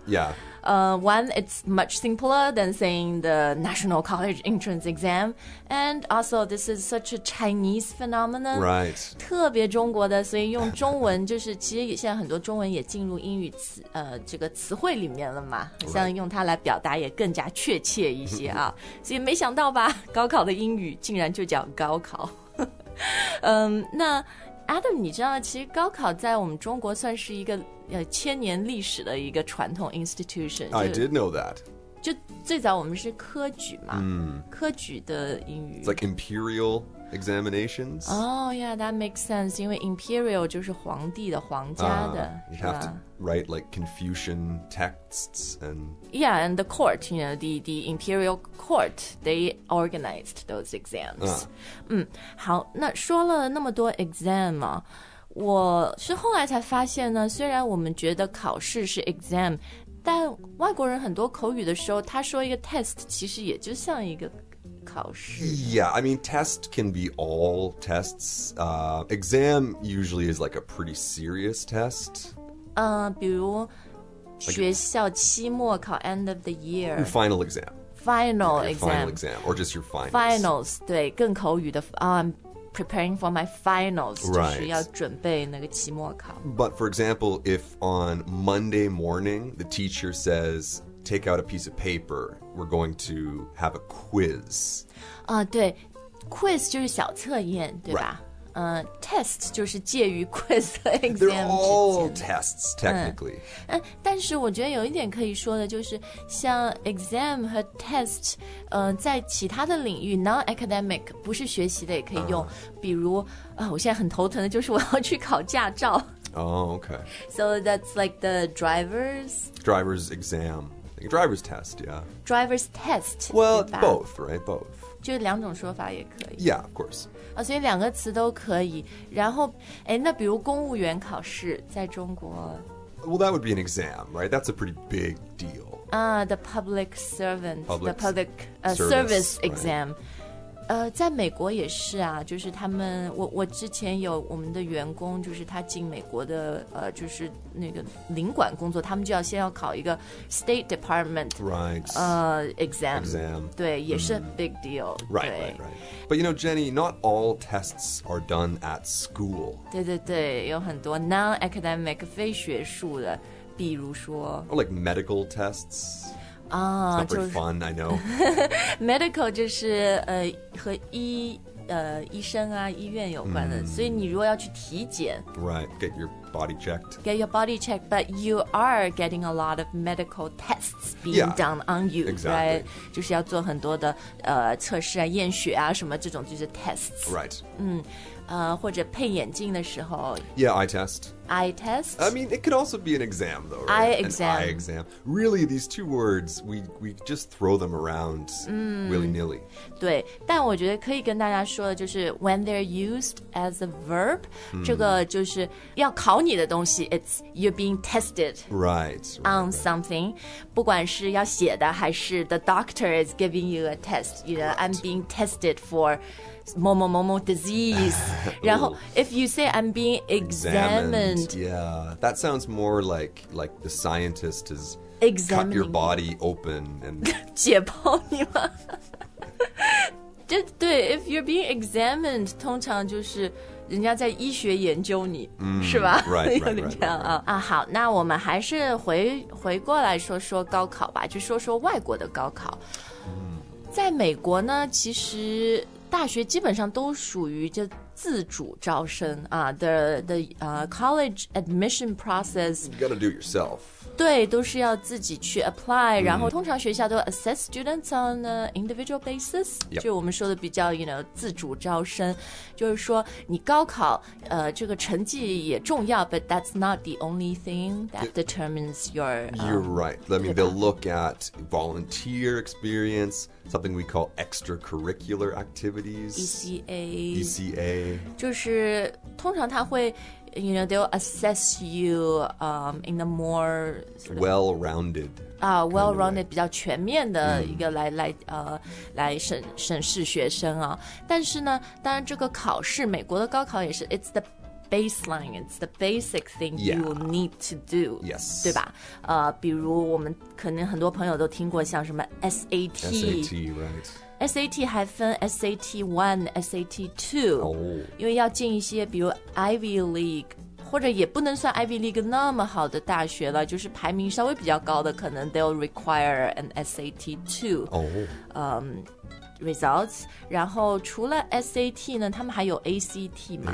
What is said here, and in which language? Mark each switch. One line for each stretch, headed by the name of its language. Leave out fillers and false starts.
English: Yeah One, it's much simpler than saying the National College Entrance Exam. And also, this is such a Chinese phenomenon. Right.
Chinese: 特别中国的，所以用中文就是，其实现在很多中文也进入英语词，这个词汇里面了嘛。像用它来表达也更加确切一些啊。所以没想到吧，高考的英语竟然就叫高考。那 Adam, 你知道其实高考在我们中国算是一个千年历史的一个传统 institution
English: I did know that
Chinese: 就最早我们是科举嘛、 mm. 科举的英语
English: It's like imperial examinations Oh yeah, that makes sense
Chinese: 因为 imperial 就是皇帝的皇家的
English: You'd have to write like Confucian texts and Yeah, and the court, you know, the imperial court They organized those exams
Chinese: 好，那说了那么多 exam 啊我是后来才发现呢，虽然我们觉得考试是 exam， 但外国人很多口语的时候，他说一个 test， 其实也就像一个考试。
English: Yeah, I mean, test can be all tests. Exam usually is like a pretty serious test.
Chinese: 比如学校期末考
English: end of the year. Final exam. Final exam. Final exam, or just your finals. Finals, 对，
Chinese: 更口语的
English: Preparing for my finals, right.
Chinese: 就是要准备那个期末考。
English: But for example, if on Monday morning, the teacher says, take out a piece of paper, we're going to have a quiz.
Chinese: 对, quiz 就是小测验,对吧?
English: Right.
Chinese: Test 就是介于 quiz 和 exam 之间。
English: They're all tests, technically.
Chinese: 但是我觉得有一点可以说的就是像 exam 和 test, 在其他的领域 non-academic, 不是学习的也可以用。比如我现在很头疼的就是我要去考驾照。
English: Oh, okay. So that's like the driver's... Driver's exam. Driver's test, yeah. Driver's test. Well, both, right? Both.
Chinese: 就两种说法也可以
English: Yeah, of course、
Chinese: 所以两个词都可以然后那比如公务员考试在中国
English: Well, that would be an exam, right? That's a pretty big deal The public servant public The public service exam、 right.
Chinese: 在美国也是啊，就是他们我之前有我们的员工，就是他进美国的就是那个领馆工作，他们就要先要考一个 State Department
English: right exam 对，
Chinese: 也是
English: big deal right. But you know Jenny, not all tests are done at school.
Chinese: 对对对，有很多 non-academic 非学术的，比如说
English: or like medical testsIt's not very fun, I know.
Chinese: Medical 就是和医生啊医院有关的，所以你如果要去体检
English: Right, get your body checked. Get your body checked, but you are getting a lot of medical tests being done on you, exactly. Right?
Chinese: 就是要做很多的测试啊验血啊什么这种就是 tests.
English: Right.
Chinese: 或者配眼镜的时候
English: Yeah, eye test. Eye test? I mean, it could also be an exam, though, right? Eye exam. Really, these two words, we just throw them around willy-nilly.
Chinese: 对，但我觉得可以跟大家说的就是
English: when they're used as a verb,
Chinese: 这个就是要考你的东西
English: it's you're being tested right, on something.
Chinese: 不管是要写的还是
English: the doctor is giving you a test, you know,、I'm being tested for...
Chinese: 某某某某
English: disease 然后 if you say I'm being examined yeah that sounds more like the scientist is examining cut your body open and
Chinese: 解剖你吗就对
English: if you're being examined
Chinese: 通常就是人家在医学研究你、是吧
English: right.
Chinese: 啊好那我们还是回过来说说高考吧就说说外国的高考、在美国呢其实大学基本上都属于这自主招生啊、
English: college admission process you gotta do yourself
Chinese: 对都是要自己去 apply、然后通常学校都
English: assess students on an individual basis、
Chinese: 就我们说的比较 you know 自主招生就是说你高考这个成绩也重要
English: but that's not the only thing that determines your you're right I mean they'll look at volunteer experienceSomething we call extracurricular activities. ECA.
Chinese: 就是通常他会
English: you know, they'll assess you in a more... Sort of, well-rounded. Well-rounded, kind of like.
Chinese: 比较全面的一个来审视学生啊。但是呢当然这个考试美国的高考也是
English: it's the... baseline, it's the basic thing you need to do. Yes.
Chinese: 对吧？比如我们可能很多朋友都听过像什么 SAT.
English: right.
Chinese: SAT 还分 SAT 1, SAT 2.
English: Oh.
Chinese: 因为要进一些比如 Ivy League, 或者也不能算 Ivy League 那么好的大学了，就是排名稍微比较高的，可能
English: they'll require an SAT 2. Oh. Results.
Chinese: 然后除了 SAT 呢，他们还有 ACT 嘛。